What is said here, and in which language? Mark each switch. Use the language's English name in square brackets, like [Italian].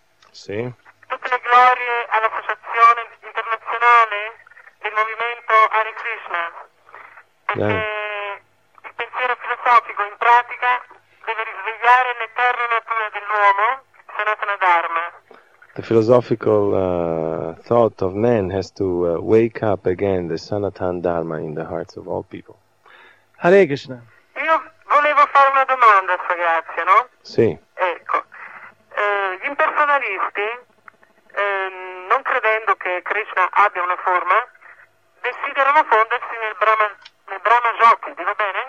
[Italian] Sì. Tutte le glorie all'Associazione Internazionale del Movimento Hare Krishna. Perché il pensiero filosofico in pratica deve risvegliare l'eterna natura dell'uomo, Sanatana Dharma. [English] The philosophical thought of man has to wake up again the Sanatana Dharma in the hearts of all people. [Italian] Hare Krishna. Io volevo fare una domanda, Sua Grazia, no? Sì. Ecco, gli impersonalisti, non credendo che Krishna abbia una forma, desiderano fondersi nel Brahma Jyoti, va bene?